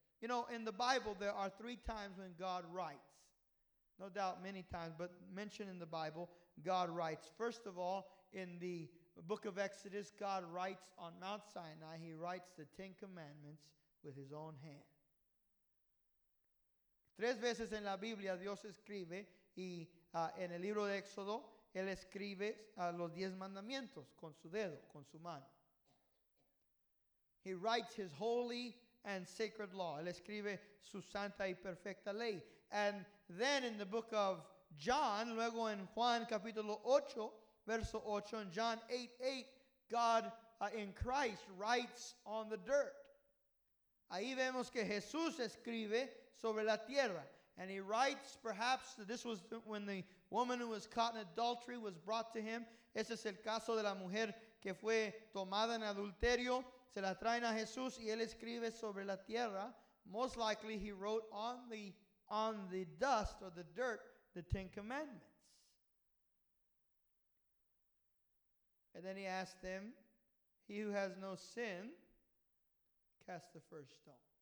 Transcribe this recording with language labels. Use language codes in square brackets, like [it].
[en] You know, in the Bible, there are three times when God writes. No doubt many times, but mentioned in the Bible, God writes. First of all, in the book of Exodus, God writes on Mount Sinai, he writes the Ten Commandments with his own hand. [es] Tres veces en la Biblia Dios escribe, y en el libro de Éxodo, él escribe los diez mandamientos con su dedo, con su mano. [en] He writes his holy and sacred law. [es] Él escribe su santa y perfecta ley. [en] And then in the book of John, [es] luego en Juan capítulo 8, verso 8, [en] in John 8:8, God in Christ writes on the dirt. [es] Ahí vemos que Jesús escribe sobre la tierra. [en] And he writes, perhaps, that this was when the woman who was caught in adultery was brought to him. [es] Ese es el caso de la mujer que fue tomada en adulterio. se la traen a Jesús y él escribe sobre la tierra. [en] Most likely he wrote on the dust or the dirt the Ten Commandments. And then he asked them, he who has no sin, cast the first stone.